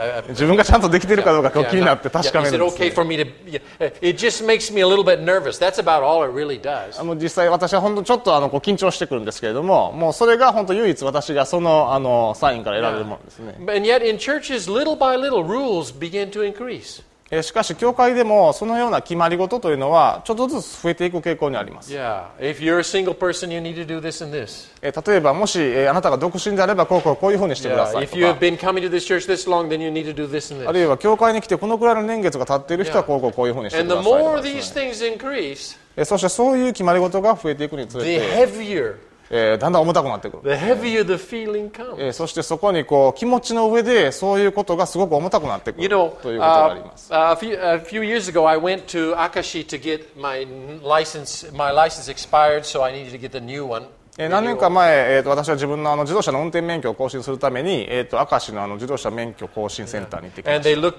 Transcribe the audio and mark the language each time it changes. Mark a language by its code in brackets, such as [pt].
[ja] 自分がちゃんとできているかどうか気になって確かめるんですね。 [en] Is it okay for me to... It just makes me a little bit nervous. That's about all it really does. [ja] 実際私は本当ちょっとあのこう緊張してくるんですけれども、もうそれが本当唯一私がその、あのサインから得られるものですね。 [en] And yet in churches, little by little, rules begin to increase. [ja] しかし教会でもそのような決まり事というのはちょっとずつ増えていく傾向にあります。 [en] Yeah. If you're a single person, you need to do this and this. [ja] 例えばもし、あなたが独身であればこうこうこういうふうにしてくださいとか。 [en] Yeah. If you have been coming to this church this long, then you need to do this and this. [ja] あるいは教会に来てこのくらいの年月が経っている人はこうこうこういうふうにしてくださいとか。 [en] And the more these things increase, [ja] そしてそういう決まり事が増えていくにつれて、 [en] the heavier [ja] だんだん重たくなってくる。 [en] The heavier the feeling comes. [ja] そしてそこにこう気持ちの上でそういうことがすごく重たくなってくる、 [en] you know, [ja] ということがあります。 [en] A few years ago, I went to Akashi to get my license. My license expired, so I needed to get the new one. [ja] 何年か前、私は自分 の, あの自動車の運転免許を更新するために、明石 の, あの自動車免許更新センターに行ってきました。